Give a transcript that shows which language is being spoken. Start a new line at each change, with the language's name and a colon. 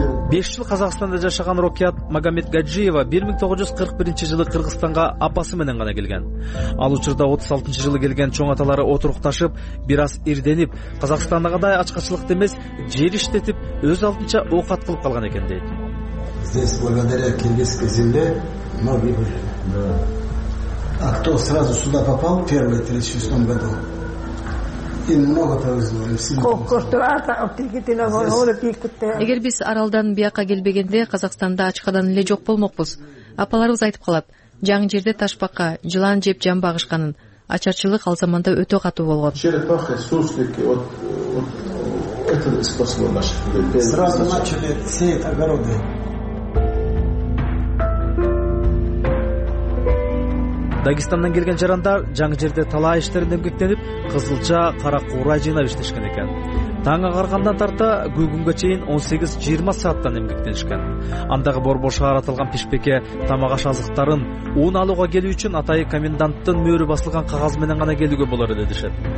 Kyrgyz: 5 жыл Казакстанда жашаган Рокият Магомедгаджиева 1941 жылы Кыргызстанга апасы менен гана келген. Ал учурда 36 жылы келген чоң аталары отурукташып, бир аз ирденип, Казакстандагыдай ачкачылыкты эмес, жер иштетип, өз алдынча оокат кылып калган экен дейт.
Russian: Здесь благодаря киргизскизинде многие были. А кто сразу сюда попал, первый, в 36-м году, им много повезло, им сильно.
Kyrgyz: Эгер биз аралдан бияка келбегенде, Казакстанда ачкадан эле жок болмокпуз. Апаларыбыз айтып калат, жаңы жерде ташбака, жылан жеп жан багышканын, ачарчылык ал заманда өтө катуу болгон.
Russian: Черепахи, суслики, вот это способы наши. Сразу начали сеять огороды.
Kyrgyz: Дагестандан келген жарандар жаңы жерде талаа иштерин эмгектенип, кызылча, кара куура жыйнап иштешкен экен. Таң агаргандан тарта күгүнгө чейин 18-20 сааттан эмгектенишкен. Андагы борбор шаарытылган пишпекке тамак аш азыктарын уун алууга келүү үчүн атайы коменданттын мөөрү басылган кагаз менен гана келүүгө болор эле дешет.